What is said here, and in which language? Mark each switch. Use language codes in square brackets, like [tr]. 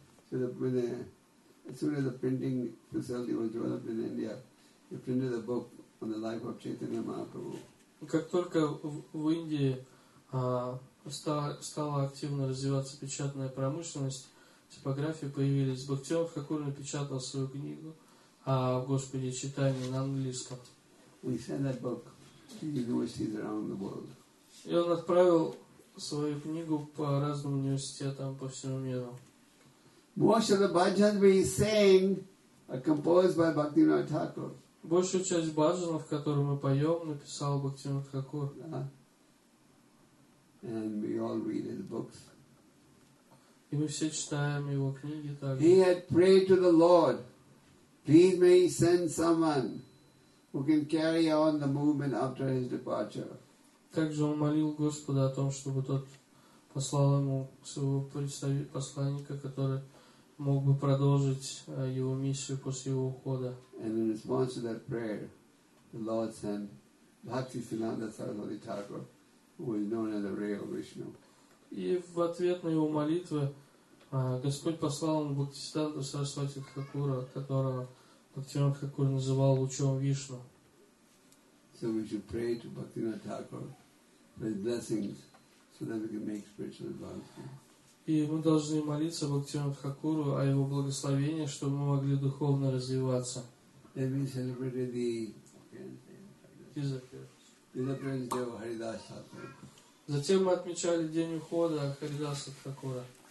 [en] So as soon as the printing facility was developed in India, they printed a book on the life of Chaitanya Mahaprabhu. [ru] Как только в Индии стала активно развиваться печатная промышленность, типографии появились. Бхактивинод Тхакур напечатал свою книгу о Господе Чайтанье на английском. [en] We send that book to universities around the world. [ru] И он отправил свою книгу по разным университетам по всему миру. [en] Most of the bhajans we sang are composed by Bhaktivinoda Thakur. [ru] Большую часть бхаджанов, которые мы поем, написал Бхактивинода Тхакур. [en] And we all read his books. [ru] И мы все читаем его книги также. [en] He had prayed to the Lord, please may he send someone who can carry on the movement after his departure. [ru] Также он молил Господа о том, чтобы тот послал ему своего посланника, который мог бы продолжить его миссию после его ухода. [en] And in response to that prayer, the Lord sent Bhaktisiddhanta Saraswati Thakur, who is known as the Ray of Vishnu. [ru] И в ответ на его молитвы Господь послал ему Бхактисиддханта Сарасвати Тхакура, которого Бхактисиддханта Тхакур называл лучом Вишну. [en] So we should pray to Bhaktisiddhanta Thakur for his blessings so that we can make spiritual advancement. [ru] И мы должны молиться Бхактисиддханта Тхакуру о его благословении, чтобы мы могли духовно развиваться. [en] Then we celebrate the disappearance of Haridasa Thakur. [ru] Затем мы отмечали день ухода Харидаса Тхакура.